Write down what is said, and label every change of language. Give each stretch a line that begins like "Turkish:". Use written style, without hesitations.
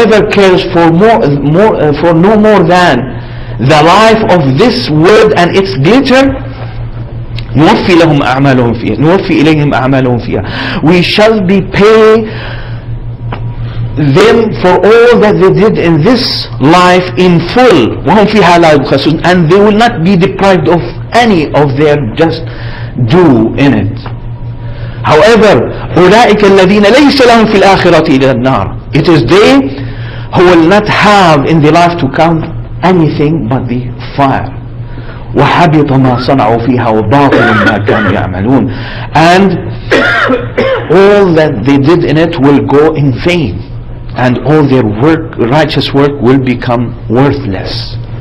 English: Whoever cares for no more than the life of this world and its glitter,
Arabic: نوفي إليهم أعمالهم فيها.
English: We shall be paid them for all that they did in this life in full.
Arabic: وهم فيها لا يبخسون.
English: And they will not be deprived of any of their just due in it. However,
Arabic: أولئك الذين ليس لهم في الآخرة إلى النار.
English: It is they who will not have in the life to come anything but the fire.
Arabic: وَحَبِطَ مَا صَنَعُوا فِيهَا وَبَاطِلٌ مَا كَانُوا يَعْمَلُونَ.
English: And all that they did in it will go in vain, and all their work, righteous work, will become worthless.